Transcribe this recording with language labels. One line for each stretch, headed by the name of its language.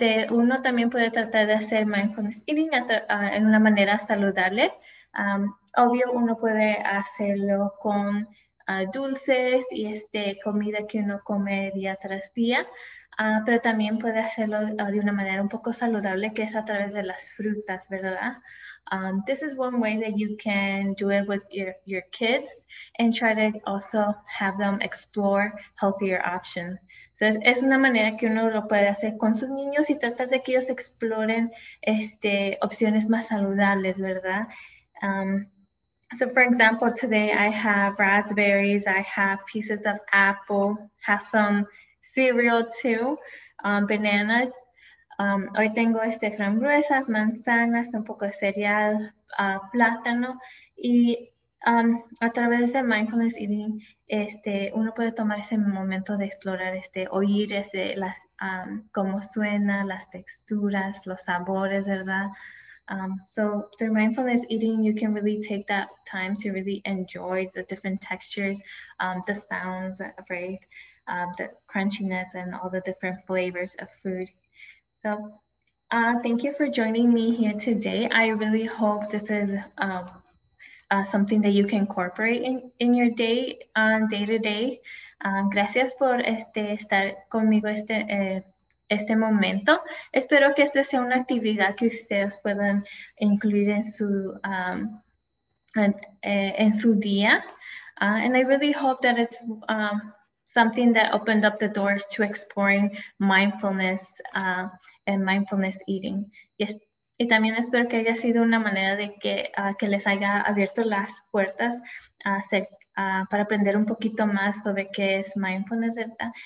Spanish: Uno también puede tratar de hacer mindfulness eating en una manera saludable. Obvio, uno puede hacerlo con dulces y comida que uno come día tras día, pero también puede hacerlo de una manera un poco saludable, que es a través de las frutas, ¿verdad?
English: This is one way that you can do it with your kids and try to also have them explore healthier options.
Spanish: So es una manera que uno lo puede hacer con sus niños y tratar de que ellos exploren opciones más saludables, ¿verdad?
English: So for example, today I have raspberries, I have pieces of apple, have some cereal too, bananas.
Spanish: Hoy tengo frambuesas, manzanas, un poco de cereal, plátano. Y a través de mindfulness eating, uno puede tomar ese momento de explorar, oír cómo suena, las texturas, los sabores, ¿verdad?
English: So through mindfulness eating, you can really take that time to really enjoy the different textures, the sounds, right? The crunchiness and all the different flavors of food. So thank you for joining me here today. I really hope this is something that you can incorporate in your day-to-day.
Spanish: Gracias por estar conmigo este momento. Espero que esta sea una actividad que ustedes puedan incluir en su día.
English: And I really hope that it's something that opened up the doors to exploring mindfulness and mindfulness eating.
Spanish: Y también espero que haya sido una manera de que les haya abierto las puertas para aprender un poquito más sobre qué es mindfulness, ¿verdad?